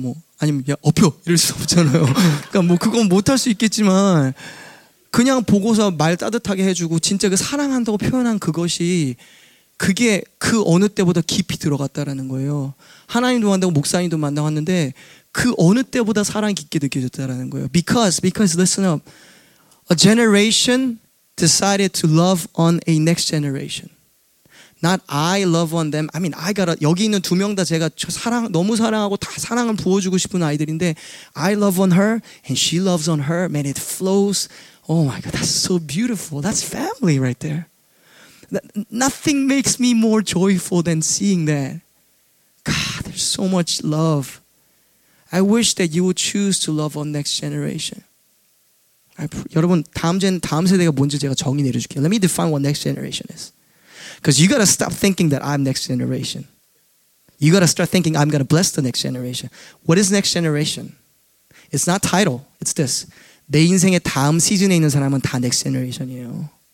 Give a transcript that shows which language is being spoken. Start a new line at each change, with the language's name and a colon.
Korean: 뭐 아니면 야 업혀 이럴 수 없잖아요. 그러니까 뭐 그건 못 할 수 있겠지만 그냥 보고서 말 따뜻하게 해주고 진짜 그 사랑한다고 표현한 그것이 그게 그 어느 때보다 깊이 들어갔다라는 거예요. 하나님도 만나고 목사님도 만나고 왔는데 그 어느 때보다 사랑 깊게 느껴졌다라는 거예요.
English: Because listen up. A generation decided to love on a next generation. Not I love on them. I mean, I got a,
Korean: 여기 있는 두 명 다 제가 사랑 너무 사랑하고 다 사랑을 부어주고 싶은 아이들인데
English: I love on her and she loves on her. Man, it flows. Oh my God, that's so beautiful. That's family right there. Nothing makes me more joyful than seeing that. God, there's so much love. I wish that you would choose to love on next generation.
Korean: 여러분, 다음 세대가 뭔지 제가 정의 내려줄게요.
English: Let me define what next generation is. Because you got to stop thinking that I'm next generation. You got to start thinking I'm going to bless the next generation. What is next generation? It's not title. It's this.
Korean: 내 인생의 다음 시즌에 있는 사람은 다
English: next generation
Korean: 이에요.